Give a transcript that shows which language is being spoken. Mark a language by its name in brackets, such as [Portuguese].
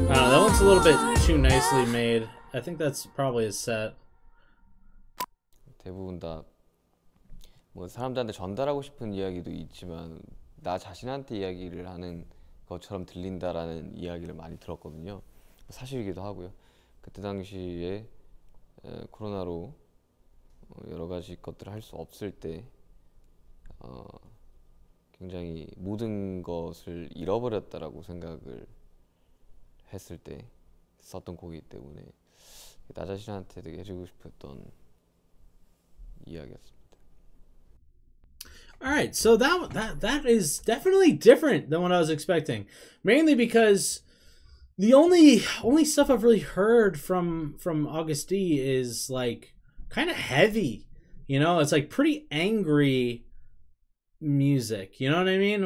[English] That one's a little bit too nicely made. I think that's probably his set. [Korean] 대부분 다 뭐 사람들한테 전달하고 싶은 이야기도 있지만 나 자신한테 이야기를 하는 것처럼 들린다라는 이야기를 많이 들었거든요. 사실이기도 하고요. 그때 당시에 코로나로 여러 가지 것들을 할 수 없을 때 굉장히 모든 것을 잃어버렸다라고 생각을 했을 때 썼던 곡이기 때문에 나 자신한테 되게 해주고 싶었던 이야기였습니다. [English] All right, so that is definitely different than what I was expecting, mainly because the only stuff I've really heard from Agust is like kind of heavy, you know. It's like pretty angry music, you know what I mean?